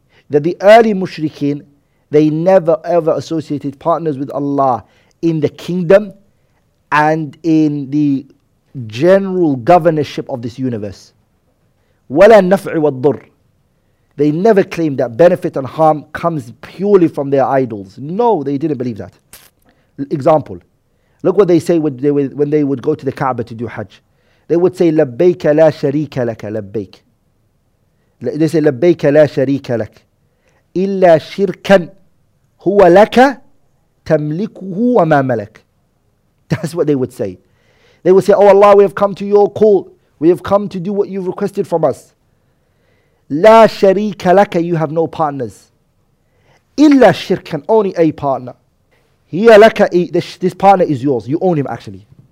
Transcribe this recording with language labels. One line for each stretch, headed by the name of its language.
English: That the early mushrikeen, they never ever associated partners with Allah in the kingdom and in the general governorship of this universe.
Arabic: وَلَا النَّفْعِ وَالضُّرِّ.
English: They never claimed that benefit and harm comes purely from their idols. No, they didn't believe that. Example. Look what they say when they would go to the Kaaba to do Hajj. They would say,
Arabic: لَبَّيْكَ لَا شَرِيكَ لَكَ لَبَّيْكَ.
English: They say,
Arabic: لَبَّيْكَ لَا شَرِيكَ لَكَ إِلَّا شِرْكًا هُوَ لَكَ تَمْلِكُهُ وَمَا مَلَكَ.
English: That's what they would say. They would say, oh Allah, we have come to your call. We have come to do what you've requested from us.
Arabic: La sharika laka,
English: you have no partners.
Arabic: Illa shirkan,
English: only a partner.
Arabic: Hiya laka,
English: this partner is yours. You own him actually.